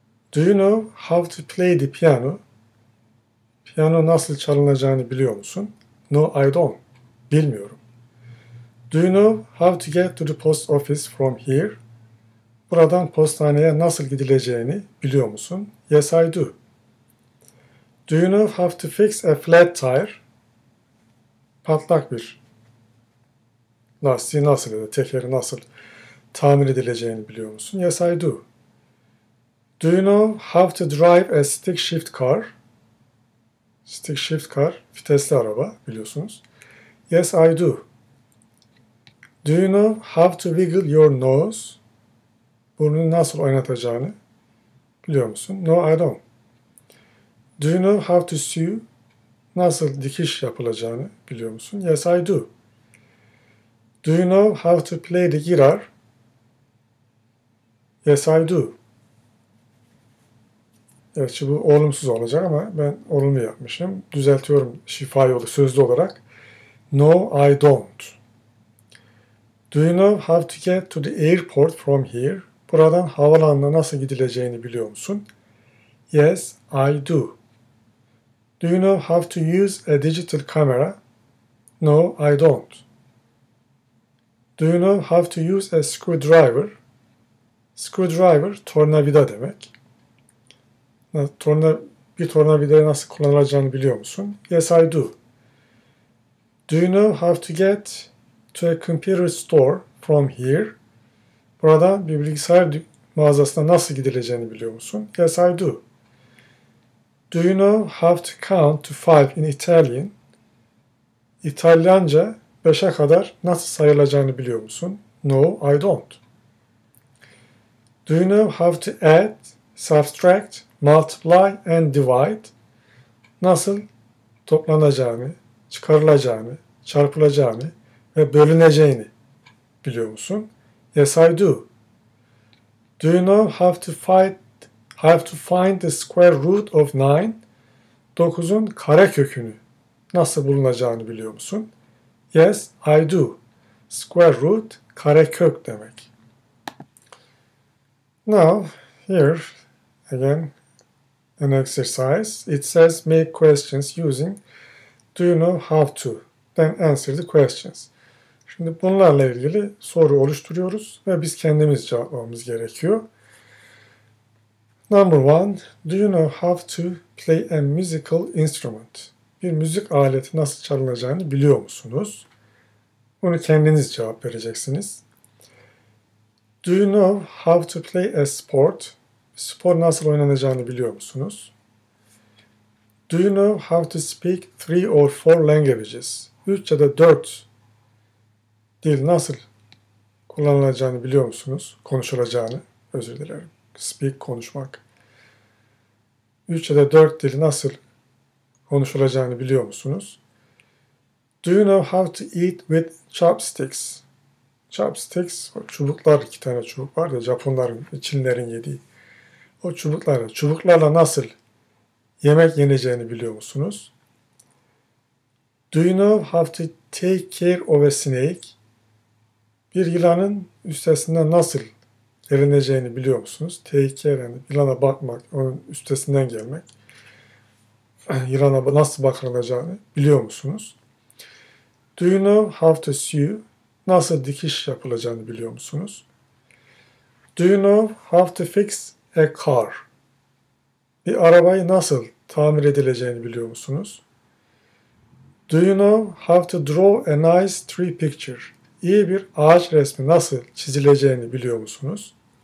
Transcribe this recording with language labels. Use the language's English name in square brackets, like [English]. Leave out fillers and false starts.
[English] Do you know how to play the piano? [Turkish] Piyano nasıl çalınacağını biliyor musun? [English] No, I don't. [Turkish] Bilmiyorum. [English] Do you know how to get to the post office from here? [Turkish] Buradan postaneye nasıl gidileceğini biliyor musun? [English] Yes, I do. Do you know how to fix a flat tire? [Turkish] Patlak bir lastiği nasıl ya da tekeri nasıl tamir edileceğini biliyor musun? [English] Yes, I do. Do you know how to drive a stick shift car? Stick shift car, [Turkish] vitesli araba biliyorsunuz. [English] Yes, I do. Do you know how to wiggle your nose? [Turkish] Burnunu nasıl oynatacağını biliyor musun? [English] No, I don't. Do you know how to sew? [Turkish] Nasıl dikiş yapılacağını biliyor musun? [English] Yes, I do. Do you know how to play the guitar? Yes, I do. [Turkish] Evet, şimdi bu olumsuz olacak ama ben olumlu yapmışım. Düzeltiyorum şifa yolu sözlü olarak. [English] No, I don't. Do you know how to get to the airport from here? [Turkish] Buradan havalanına nasıl gidileceğini biliyor musun? [English] Yes, I do. Do you know how to use a digital camera? No, I don't. Do you know how to use a screwdriver? Screwdriver, [Turkish] tornavida demek. Bir tornavidayı nasıl kullanacağını biliyor musun? [English] Yes, I do. Do you know how to get to a computer store from here? [Turkish] Buradan bir bilgisayar mağazasına nasıl gidileceğini biliyor musun? [English] Yes, I do. Do you know how to count to five in Italian? [Turkish] İtalyanca 5'e kadar nasıl sayılacağını biliyor musun? [English] No, I don't. Do you know how to add, subtract, multiply and divide? [Turkish] Nasıl toplanacağını, çıkarılacağını, çarpılacağını ve bölüneceğini biliyor musun? [English] Yes, I do. Do you know how to find the square root of 9? [Turkish] 9'un karekökünü nasıl bulunacağını biliyor musun? [English] Yes, I do. Square root, [Turkish] karekök demek. [English] Now, here, again, an exercise. It says, make questions using do you know how to? Then answer the questions. [Turkish] Şimdi bunlarla ilgili soru oluşturuyoruz ve biz kendimiz cevaplamamız gerekiyor. [English] Number one, do you know how to play a musical instrument? [Turkish] Bir müzik aleti nasıl çalınacağını biliyor musunuz? Bunu kendiniz cevap vereceksiniz. [English] Do you know how to play a sport? [Turkish] Spor nasıl oynanacağını biliyor musunuz? [English] Do you know how to speak three or four languages? [Turkish] 3 ya da 4 dil nasıl kullanılacağını biliyor musunuz? Konuşulacağını, özür dilerim. Speak, konuşmak. 3 ya da 4 dil nasıl konuşulacağını biliyor musunuz? [English] Do you know how to eat with chopsticks? [Turkish] Chopsticks, o çubuklar, 2 tane çubuk var ya, Japonların, Çinlerin yediği. O çubuklarla nasıl yemek yeneceğini biliyor musunuz? [English] Do you know how to take care of a snake? [Turkish] Bir yılanın üstesinden nasıl gelineceğini biliyor musunuz? Take care, yani yılana bakmak, onun üstesinden gelmek. Yılana nasıl bakılacağını biliyor musunuz? [English] Do you know how to sew? [Turkish] Nasıl dikiş yapılacağını biliyor musunuz? [English] Do you know how to fix a car? [Turkish] Bir arabayı nasıl tamir edileceğini biliyor musunuz? [English] Do you know how to draw a nice tree picture? [Turkish] İyi bir ağaç resmi nasıl çizileceğini biliyor musunuz?